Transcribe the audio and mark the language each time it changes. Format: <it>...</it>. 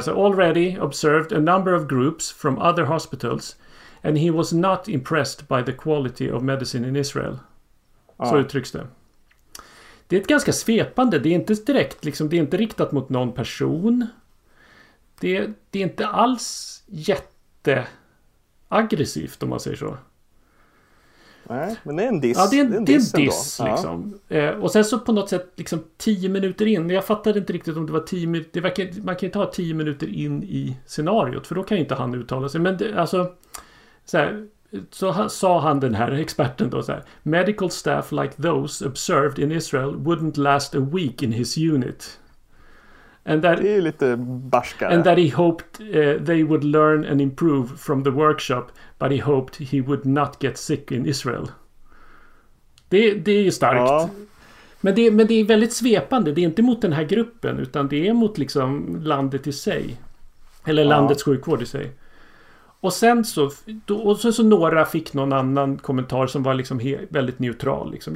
<en>Så, already observed a number of groups from other hospitals and he was not impressed by the quality of medicine in Israel.</en> <sv>Ja. Så uttrycks det. Det är ett ganska svepande. Det är inte direkt, liksom, det är inte riktat mot någon person. Det är inte alls jätte... aggressivt om man säger så. Nej, men det är en diss. Ja, det är en diss liksom. Ja. Och sen så på något sätt liksom 10 minuter in. Jag fattade inte riktigt om det var 10 minuter. Det verkar, man kan inte ha 10 minuter in i scenariot. För då kan ju inte han uttala sig. Men det, alltså, så sa han den här experten då så här.</sv> <en>Medical staff like those observed in Israel wouldn't last a week in his unit. And that,</en> <sv>det är lite barskare.</sv> <en>And that he hoped they would learn and improve from the workshop, but he hoped he would not get sick in Israel.</en> <sv>Det är ju starkt. Ja. Men det är väldigt svepande. Det är inte mot den här gruppen, utan det är mot liksom landet i sig. Eller landets sjukvård i sig. Och sen så några fick någon annan kommentar som var liksom väldigt neutral. Liksom.</sv>